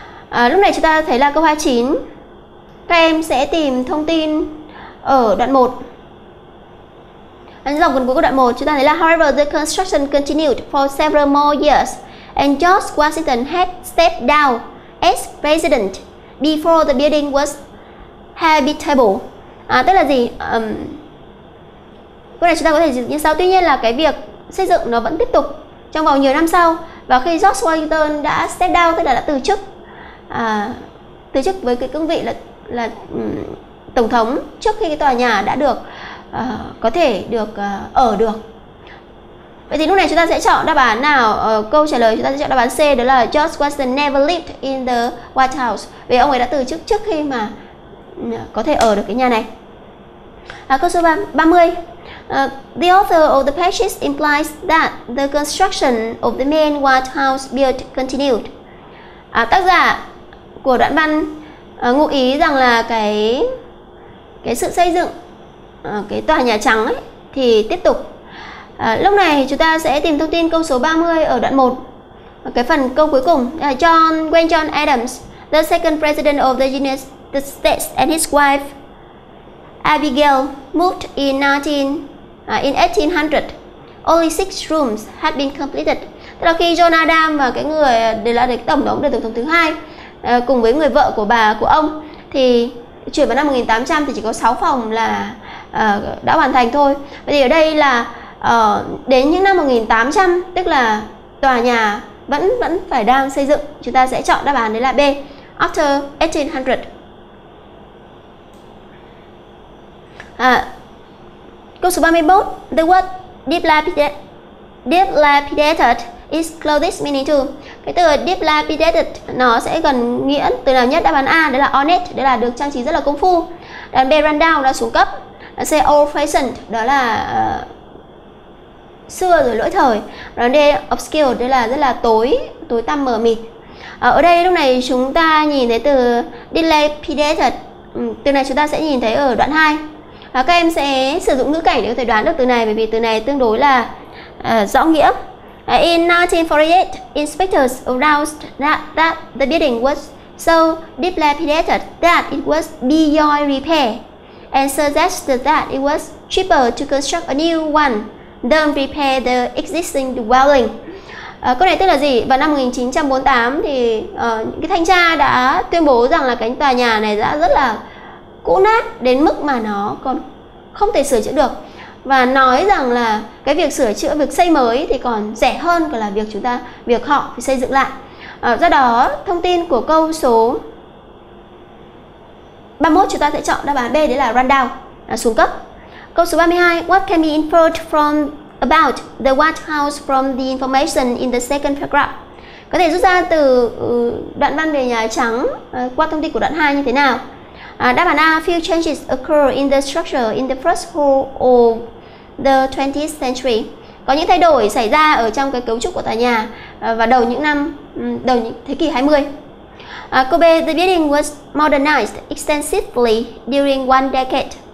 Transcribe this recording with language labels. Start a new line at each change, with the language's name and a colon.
Vietnamese: Lúc này chúng ta thấy là câu 29, các em sẽ tìm thông tin ở đoạn 1. Dòng gần cuối của đoạn 1, chúng ta thấy là
English: however, the construction continued for several more years and George Washington had stepped down as president before the building was habitable.
Vietnamese: Tức là gì? Câu này chúng ta có thể dịch như sau. Tuy nhiên là cái việc xây dựng nó vẫn tiếp tục trong vòng nhiều năm sau, và khi George Washington đã
English: stepped down,
Vietnamese: tức là đã từ chức với cái cương vị là tổng thống trước khi cái tòa nhà đã được có thể được ở được. Vậy thì lúc này chúng ta sẽ chọn đáp án nào? Câu trả lời chúng ta sẽ chọn đáp án C, đó là
English: George Washington never lived in the White House,
Vietnamese: vì ông ấy đã từ chức trước khi mà có thể ở được cái nhà này. Câu số 30,
English: the author of the passage implies that the construction of the main White House built continued.
Vietnamese: Tác giả của đoạn văn ngụ ý rằng là cái sự xây dựng cái tòa Nhà Trắng ấy thì tiếp tục. Lúc này chúng ta sẽ tìm thông tin câu số 30 ở đoạn 1, cái phần câu cuối cùng.
English: John Adams, the second president of the United States, and his wife Abigail moved in 1800. Only 6 rooms had been completed.
Vietnamese: Tức là khi John Adams và cái người đều là cái tổng thống, được tổng thống thứ hai, cùng với người vợ của bà, của ông, thì chuyển vào năm 1800 thì chỉ có 6 phòng là đã hoàn thành thôi. Vậy thì ở đây là đến những năm 1800, tức là tòa nhà vẫn phải đang xây dựng. Chúng ta sẽ chọn đáp án đấy là B,
English: after 1800.
Vietnamese: Câu số 31,
English: the word dilapidated is closest meaning to.
Vietnamese: Cái từ dilapidated nó sẽ gần nghĩa từ nào nhất? Đáp án A, đó là ornate, đó là được trang trí rất là công phu. đoạn B run down là xuống cấp, đoạn C old fashioned đó là xưa rồi lỗi thời, đoạn D obscure đây là rất là tối tối tăm mờ mịt. Ở đây lúc này chúng ta nhìn thấy từ dilapidated, từ này chúng ta sẽ nhìn thấy ở đoạn 2. Các em sẽ sử dụng ngữ cảnh để có thể đoán được từ này, bởi vì từ này tương đối là rõ nghĩa.
English: In 1948, inspectors aroused that the building was so dilapidated that it was beyond repair and suggested that it was cheaper to construct a new one than repair the existing dwelling.
Vietnamese: Câu này tức là gì? Vào năm 1948 thì cái thanh tra đã tuyên bố rằng là cái tòa nhà này đã rất là cũ nát đến mức mà nó còn không thể sửa chữa được, và nói rằng là cái việc sửa chữa, việc xây mới thì còn rẻ hơn cả là việc chúng ta, việc họ phải xây dựng lại. Do đó thông tin của câu số 31 chúng ta sẽ chọn đáp án B, đấy là rundown, xuống cấp. Câu số 32,
English: what can be inferred from about the White House from the information in the second paragraph?
Vietnamese: Có thể rút ra từ đoạn văn về Nhà Trắng qua thông tin của đoạn 2 như thế nào? Đáp án A,
English: few changes occur in the structure in the first whole of the 20th century.
Vietnamese: Có những thay đổi xảy ra ở trong cái cấu trúc của tòa nhà vào đầu những năm đầu thế kỷ 20. Câu B,
English: the building was modernized extensively during one decade.